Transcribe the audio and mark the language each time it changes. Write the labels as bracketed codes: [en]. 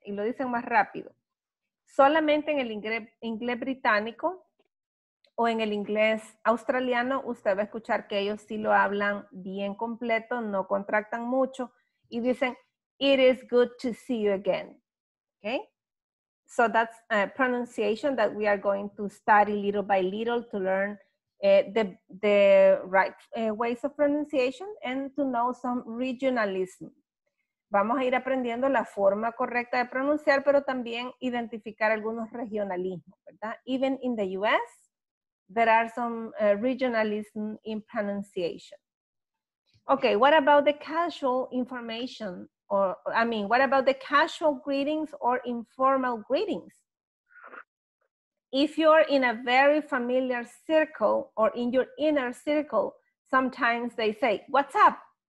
[es] Y lo dicen más rápido. Solamente en el inglés británico, o en el inglés australiano, usted va a escuchar que ellos sí lo hablan bien completo, no contractan mucho, y dicen, [en] it is good to see you again. [es] Okay? [en] So that's a pronunciation that we are going to study little by little to learn the right ways of pronunciation and to know some regionalism. [es] Vamos a ir aprendiendo la forma correcta de pronunciar, pero también identificar algunos regionalismos, ¿verdad? [en] Even in the U.S., there are some regionalism in pronunciation. Okay, what about the casual information? What about the casual greetings or informal greetings? If you're in a very familiar circle or in your inner circle, sometimes they say, what's up?